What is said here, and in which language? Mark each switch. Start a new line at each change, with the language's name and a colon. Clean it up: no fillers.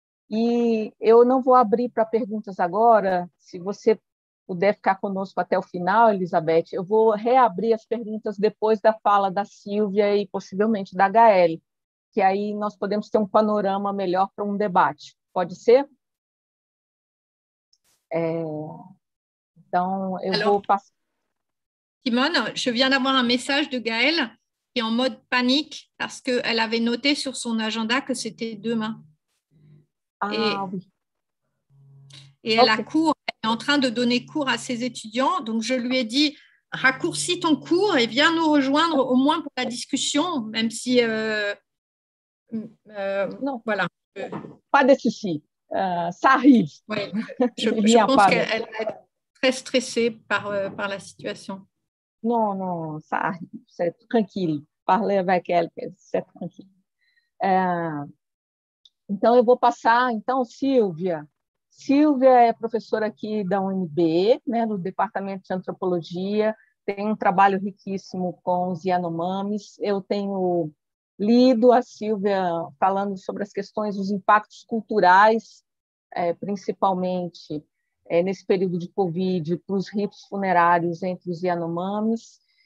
Portuguese: E eu não vou abrir para perguntas agora, se você puder ficar conosco até o final, Elisabeth, eu vou reabrir as perguntas depois da fala da Silvia e possivelmente da Gaëlle, que aí nós podemos ter um panorama melhor para um debate. Pode ser? Então, eu
French: Alors,
Portuguese: vou passar.
French: Simone, je viens d'avoir un message de Gaëlle qui est en mode panique parce qu'elle avait noté sur son agenda que c'était demain. Ah, oui. Et elle okay. A cours. Est en train de donner cours à ses étudiants. Donc, je lui ai dit, raccourcis ton cours et viens nous rejoindre au moins pour la discussion, même si... Non, voilà. Pas de souci. Ça arrive. Oui, je pense qu'elle est très stressée par la situation. Non, ça arrive. C'est tranquille. Parler avec elle, c'est tranquille.
Portuguese: Então, eu vou passar. Então, Silvia... Silvia é professora aqui da UNB, né, do Departamento de Antropologia, tem um trabalho riquíssimo com os Yanomamis. Eu tenho lido a Silvia falando sobre as questões dos impactos culturais, principalmente nesse período de Covid, para os ritos funerários entre os Yanomamis.